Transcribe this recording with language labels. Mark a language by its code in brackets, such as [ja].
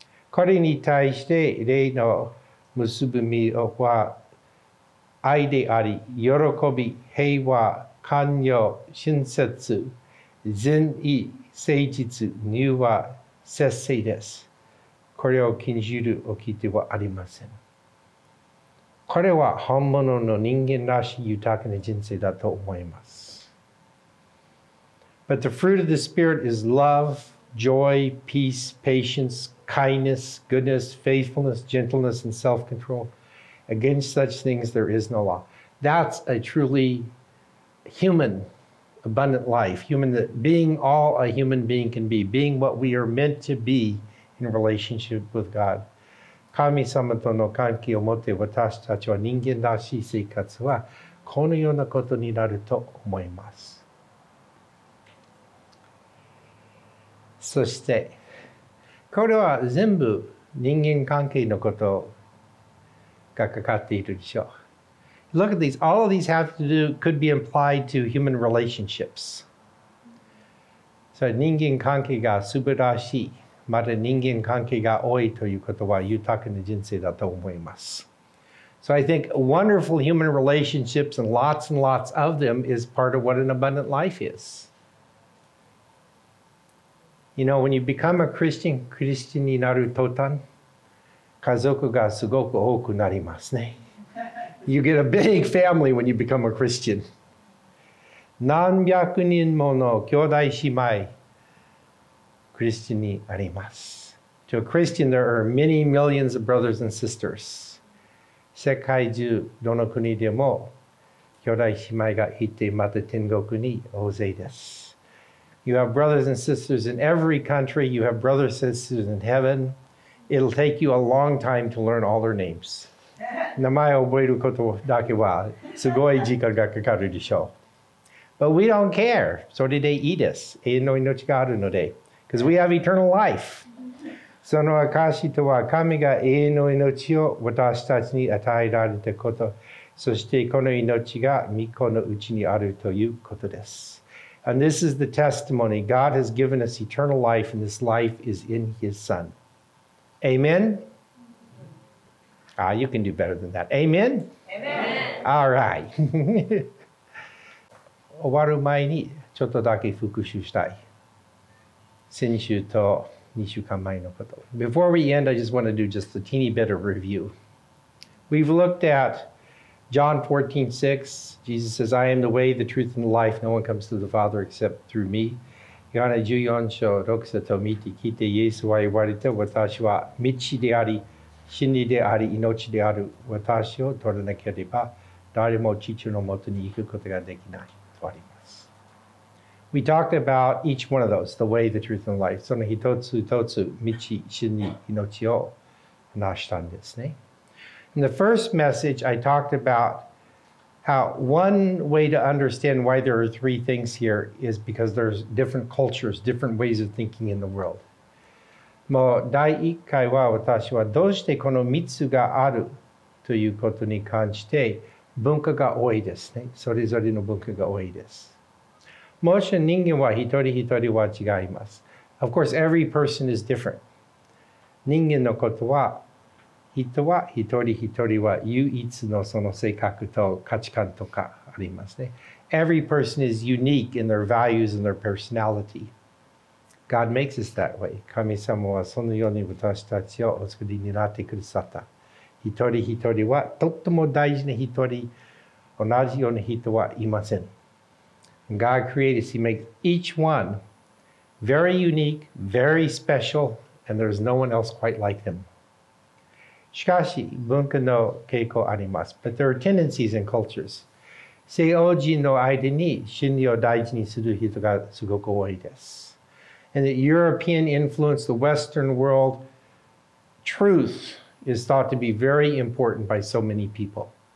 [ja] これに対して礼の結ぶ身は愛であり、喜び、平和、寛容、親切、善意、誠実、柔和、節制です。これを禁じるおきてはありません。これは本物の人間らしい豊かな人生だと思います。 [en] But the fruit of the Spirit is love, joy, peace, patience, kindness, goodness, faithfulness, gentleness, and self-control. Against such things there is no law. That's a truly human, abundant life. Human, that being all a human being can be, being what we are meant to be in relationship with God. [ja] 神様との関係を持って私たちは人間らしい生活はこのようなことになると思います。そしてこれは全部人間関係のことがかかっているでしょう。 [en] Look at these. All of these have to do, could be implied to human relationships. [ja] So 人間関係が素晴らしい。まだ人間関係が多いということは豊かな人生だと思います。 [en] So I think wonderful human relationships and lots of them is part of what an abundant life is. You know, when you become a Christian, [ja] クリスチャンになる途端、家族がすごく多くなりますね。 [en] You get a big family when you become a Christian. [ja] 何百人もの兄弟姉妹、クリスチャンにあります。 [en] To a Christian, there are many millions of brothers and sisters. [ja] 世界中どの国でも兄弟姉妹がいて、また天国に大勢です。 [en] You have brothers and sisters in every country. You have brothers and sisters in heaven. It'll take you a long time to learn all their names. [ja] 名前を覚えることだけはすごい時間がかかるでしょう。 [en] But we don't care. So did they eat us? [ja] 永遠の命があるので。 [en] Because we have eternal life. [ja] その証とは神が永遠の命を私たちに与えられたこと、そしてこの命が御子のうちにあるということです。 [en] And this is the testimony. God has given us eternal life, and this life is in His Son. Amen? Ah, you can do better than that. Amen? Amen. All right. [ja] 終わる前にちょっとだけ復習したい。先週と2週間前のこと。 [en] Before we end, I just want to do just a teeny bit of review. We've looked at John 14:6. Jesus says, I am the way, the truth, and the life. No one comes to the Father except through me. [ja] ヨハネ14章6節を見て聞いてイエスは言われて、私は道であり、真理であり、命である。私を取らなければ、誰も父のもとに行くことができない。とあります。 [en] We talked about each one of those, the way, the truth, and the life. [ja] その一つ一つ、道、真理、命を話したんですね。 [en] In the first message, I talked about how one way to understand why there are three things here is because there's different cultures, different ways of thinking in the world. [ja] もう第一回は私はどうしてこの三つがあるということに関して文化が多いですね。それぞれの文化が多いです。もし人間は一人一人は違います。 [en] Of course, every person is different. [ja] 人間のことは、人は一人一人は唯一のその性格と価値観とかありますね。 [en] Every person is unique in their values and their personality. God makes us that way. [ja] 神様はそのように私たちをお作りになってくださった。一人一人はとっても大事な一人、同じような人はいません。 [en] God created us. He makes each one very unique, very special, and there's no one else quite like them. [ja] しかし、文化の傾向あります。 [en] But there are tendencies in cultures. [ja] 西洋人の間に真理を大事にする人がすごく多いです。 [en] And the European influence, the Western world, truth is thought to be very important by so many people.